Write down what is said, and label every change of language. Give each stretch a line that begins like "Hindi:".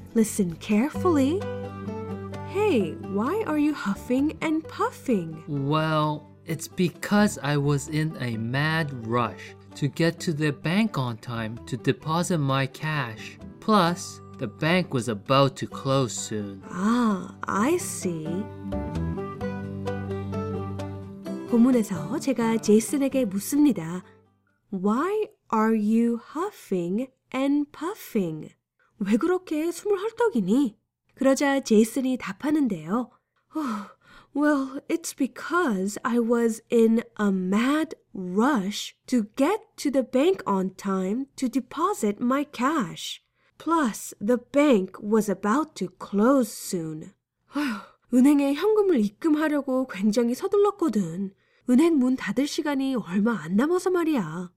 English: Listen carefully. Hey, why are you huffing and puffing? Well, it's because I was in a mad rush to get to the bank on time to deposit my cash. Plus, the bank was about to close soon. Ah, I see.
Korean: 본문에서 제가 제이슨에게 묻습니다.
English: Why are you huffing and puffing?
Korean: 왜 그렇게 숨을 헐떡이니? 그러자 제이슨이 답하는데요.
English: Well, it's because I was in a mad rush to get to the bank on time to deposit my cash. Plus, the bank was about to close soon.
Korean: 은행에 현금을 입금하려고 굉장히 서둘렀거든. 은행 문 닫을 시간이 얼마 안 남아서 말이야.